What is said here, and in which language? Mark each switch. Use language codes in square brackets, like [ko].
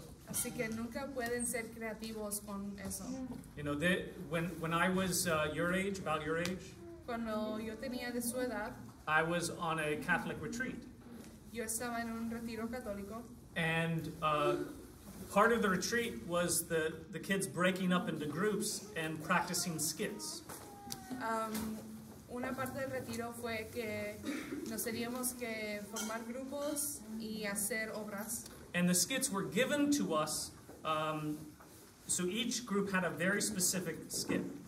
[es] Así que nunca pueden ser creativos con eso. [en] You know, when I was about your age, [es] cuando yo tenía de su edad, [en] I was on a Catholic retreat. [es] Yo estaba en un retiro católico. [en] And part of the retreat was the kids breaking up into groups and practicing skits. [es] Una parte del retiro fue que nos teníamos que formar grupos y hacer obras. [en] And the skits were given to us, so each group had a very specific skit.